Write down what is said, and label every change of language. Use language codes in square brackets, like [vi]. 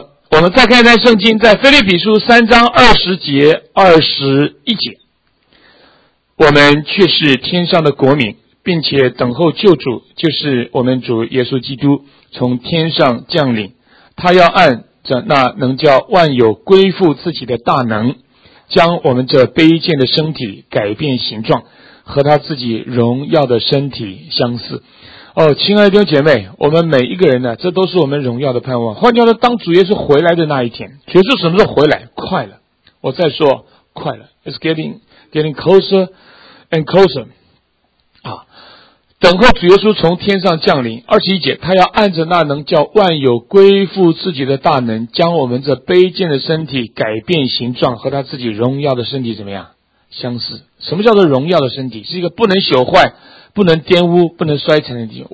[zh] 我们再看一段圣经，在腓立比书3:20-21，我们却是天上的国民，并且等候救主，就是我们主耶稣基督从天上降临，他要按着那能叫万有归附自己的大能，将我们这卑贱的身体改变形状，和他自己荣耀的身体相似。哦，亲爱的弟兄姐妹，我们每一个人呢，这都是我们荣耀的盼望。换句话说，当主耶稣回来的那一天，主耶稣什么时候回来？快了！我再说，快了。 [en] It's getting closer and closer. [zh] 啊，等候主耶稣从天上降临。二十一节，他要按着那能叫万有归附自己的大能，将我们这卑贱的身体改变形状，和他自己荣耀的身体怎么样？相似。什么叫做荣耀的身体？是一个不能朽坏、不能玷污、不能衰残的地方。